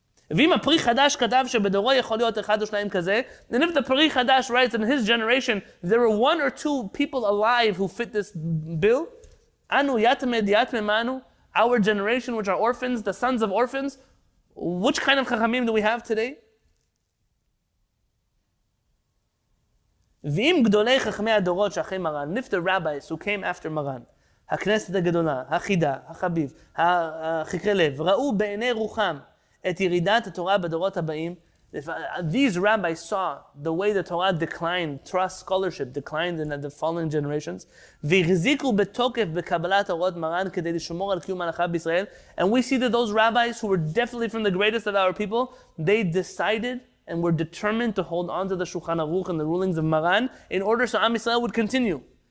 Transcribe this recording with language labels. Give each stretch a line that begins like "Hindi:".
Hebrew: ואם הפרי חדש כתב שבדורו יכול להיות אחד או שניים כזה,
English: then if the פרי חדש writes in his generation, there were one or two people alive who fit this bill,
Hebrew: אנו יתמד יתממנו,
English: our generation which are orphans, the sons of orphans, which kind of חכמים do we have today?
Hebrew: ואם גדולי חכמי הדורות שאחרי מרן,
English: if the rabbis who came after מרן,
Hebrew: הכנסת הגדולה, החידה, החביב, החקרי לב, ראו בעיני רוחם את ירידת התורה בדורות הבאים,
English: these rabbis saw the way the Torah declined, trust scholarship declined in the following generations, and we see that those rabbis who were definitely from the greatest of our people, they decided and were determined to hold on to the Shulchan Aruch and the rulings of Maran in order so Am Yisrael would continue.